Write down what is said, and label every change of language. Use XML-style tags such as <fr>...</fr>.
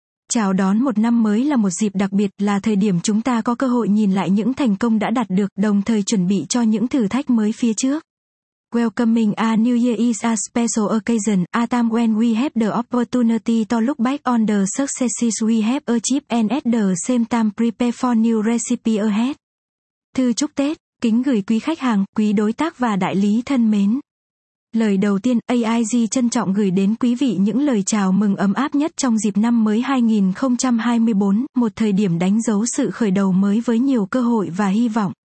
<vi>Chào đón một năm mới là một dịp đặc biệt, là thời điểm chúng ta có cơ hội nhìn lại những thành công đã đạt được, đồng thời chuẩn bị cho những thử thách mới phía trước.</vi> <en>Welcoming a new year is a special occasion, a time when we have the opportunity to look back on the successes we have achieved and at the same time prepare for new recipe ahead.</en> <vi>Thư chúc Tết, kính gửi quý khách hàng, quý đối tác và đại lý thân mến. Lời đầu tiên, AIG trân trọng gửi đến quý vị những lời chào mừng ấm áp nhất trong dịp năm mới 2024, một thời điểm đánh dấu sự khởi đầu mới với nhiều cơ hội và hy vọng.</vi>